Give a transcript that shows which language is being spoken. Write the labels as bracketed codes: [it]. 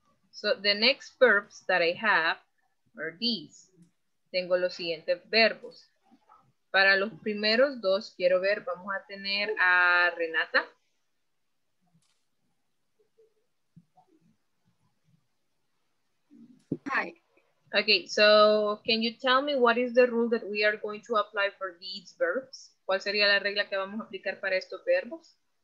[en] So, the next verbs that I have are these. [es] Tengo los siguientes verbos. Para los primeros dos, quiero ver, vamos a tener a Renata. [en] Hi. Okay, so, can you tell me what is the rule that we are going to apply for these verbs? [es] ¿Cuál sería la regla que vamos a aplicar para estos verbos?